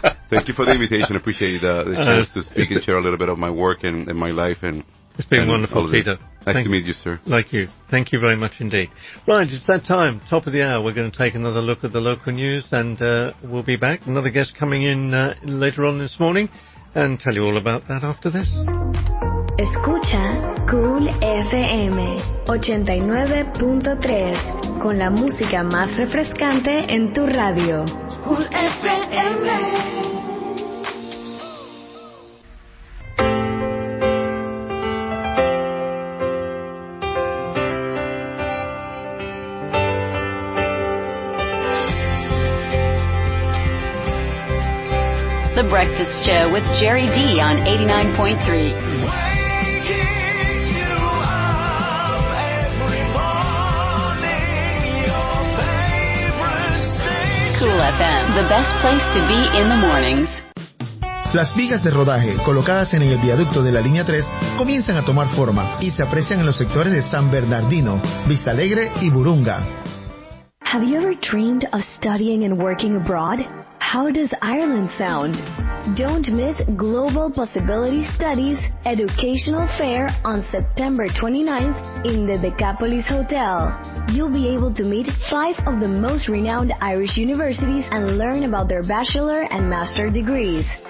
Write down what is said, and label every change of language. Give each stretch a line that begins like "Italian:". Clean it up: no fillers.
English: Thank you for the invitation. I appreciate the chance to speak and share a little bit of my work and my life, and It's been wonderful, Peter. Nice to meet you, sir. Like you. Thank you very much indeed. Right, it's that time, top of the hour. We're going to take another look at the local news, and we'll be back. Another guest coming in later on this morning, and tell you all about that after this.
Spanish: Escucha Cool FM 89.3 con la música más refrescante en tu radio.
English: Cool FM. The Breakfast Show with Jerry D on 89.3. Cool FM, the best place to be in the mornings.
Spanish: Las vigas de rodaje colocadas en el viaducto de la línea 3 comienzan a tomar forma y se aprecian en los sectores de San Bernardino, Vista Alegre y Burunga.
English: Have you ever dreamed of studying and working abroad? How does Ireland sound? Don't miss Global Possibility Studies Educational Fair on September 29th in the Decapolis Hotel. You'll be able to meet five of the most renowned Irish universities and learn about their bachelor and master degrees.